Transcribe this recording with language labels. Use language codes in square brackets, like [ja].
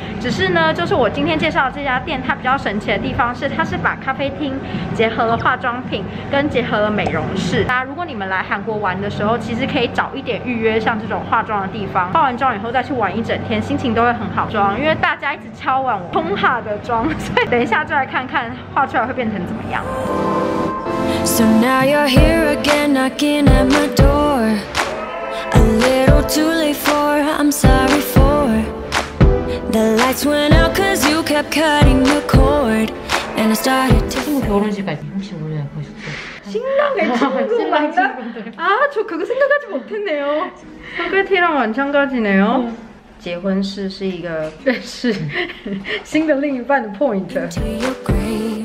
[zh] 只是呢，就是我今天介绍的这家店，它比较神奇的地方是，它是把咖啡厅结合了化妆品，跟结合了美容室。大家如果你们来韩国玩的时候，其实可以早一点预约像这种化妆的地方，化完妆以后再去玩一整天，心情都会很好。妆，因为大家一直敲碗我通哈的妆，所以等一下就来看看画出来会变成怎么样。 [en] So now you're here again, knocking at my door. A little too late for, I'm sorry for. The lights went out cause you kept cutting the cord. And I started to. [ko] 친구 결혼식까지 혹시 올해 하고 싶어요? 신랑 애 친구 맞아? 아, 저 그거 생각하지 못했네요. 소개팅이랑 마찬가지네요. [zh] 结婚式是一个认识新的另一半的 point。